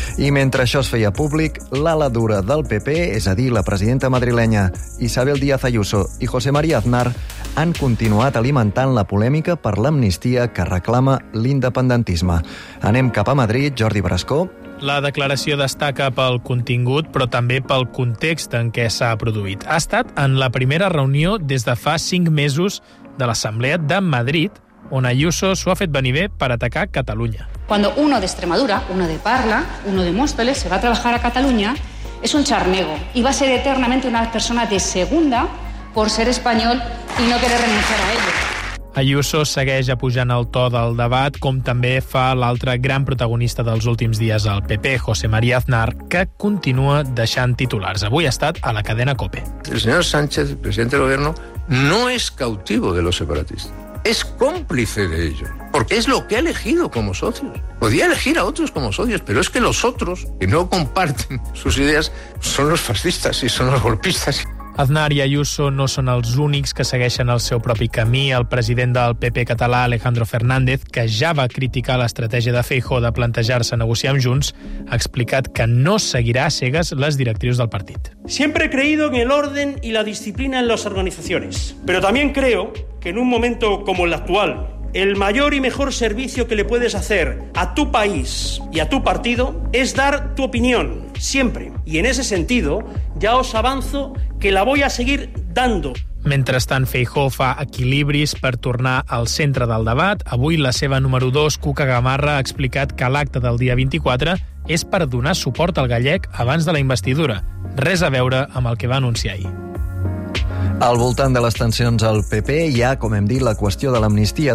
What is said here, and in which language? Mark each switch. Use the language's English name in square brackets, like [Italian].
[Catalan] I mentre això es feia públic, l'ala dura del PP, és a dir, la presidenta madrilenya Isabel Díaz Ayuso i José María Aznar, han continuat alimentant la polèmica per l'amnistia que reclama l'independentisme. Anem cap a Madrid, Jordi Brascó. La declaració destaca pel contingut, però també pel context en què s'ha produït. Ha estat en la primera reunió des de fa 5 mesos de l'Assemblea de Madrid, on Ayuso s'ho ha fet venir bé per atacar Catalunya. [Spanish] Cuando uno de Extremadura, uno de Parla, uno de Móstoles se va a trabajar a Cataluña, es un charnego y va a ser eternamente una persona de segunda por ser español y no querer renunciar a ello. [Catalan] Ayuso segueix apujant el to del debat, com també fa l'altre gran protagonista dels últims dies, el PP, José María Aznar, que continua deixant titulars. Avui ha estat a la cadena COPE. El senyor [Spanish] Sánchez, president del gobierno, no és cautivo de los separatistas. Es cómplice de ello, porque es lo que ha elegido como socios. Podía elegir a otros como socios, pero es que los otros, que no comparten sus ideas, son los fascistas y son los golpistas. [Catalan] Aznar i Ayuso no són els únics que segueixen el seu propi camí. El president del PP català, Alejandro Fernández, que ja va criticar l'estratègia de Feijóo de plantejar-se negociar amb Junts, ha explicat que no seguirà cegues les directrius del partit. [Spanish] Siempre he creído en el orden y la disciplina en las organizaciones, pero también creo que en un momento como el actual, el mayor y mejor servicio que le puedes hacer a tu país y a tu partido es dar tu opinión, siempre. Y en ese sentido, ya os avanzo que la voy a seguir dando. [Catalan] Mentrestant, Feijóo fa equilibris per tornar al centre del debat. Avui, la seva número 2, Cuca Gamarra, ha explicat que l'acte del dia 24 és per donar suport al gallec abans de la investidura. Res a veure amb el que va anunciar ahir. Al voltant de les tensions al PP hi ha, com hem dit, la qüestió de l'amnistia.